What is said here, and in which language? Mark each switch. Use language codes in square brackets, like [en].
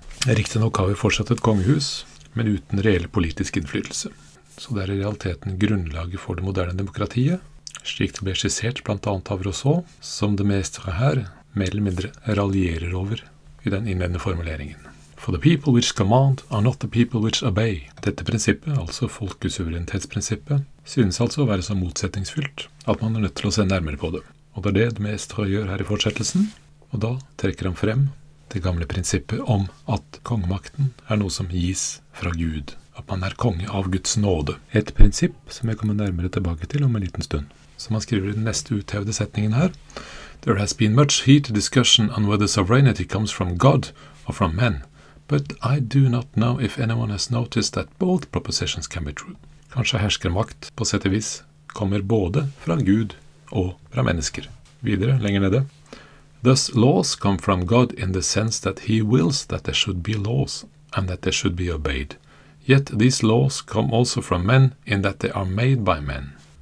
[no] Riktig nok har vi fortsatt et kongehus, men uten reell politisk innflytelse. Så det er i realiteten grunnlaget for det moderne demokratiet, slik det ble skissert blant annet av Rousseau, som det meste her mer eller mindre raljerer over i den innledende formuleringen. [en] «For the people which command are not the people which obey.» [no] Dette prinsippet, altså folkesuverenitetsprinsippet, synes altså å være så motsetningsfylt at man er nødt til å se nærmere på det. Og det er det de Maistre gjør her i fortsettelsen, og da trekker han frem det gamle prinsippet om at kongemakten er noe som gis fra Gud, at man er konge av Guds nåde. Et prinsipp som jeg kommer nærmere tilbake til om en liten stund. Som han skriver i den neste uthevde setningen her, [en] «There has been much heat discussion on whether sovereignty comes from God or from men, but I do not know if anyone has noticed that both propositions can be true.» [no] Kanskje herskermakt, på sett og vis, kommer både fra Gud og fra mennesker. Videre, lenger nede. [en] «Thus laws come from God in the sense that he wills that there should be laws, and that they should be obeyed. Yet these laws come also from men in that they are made by men.»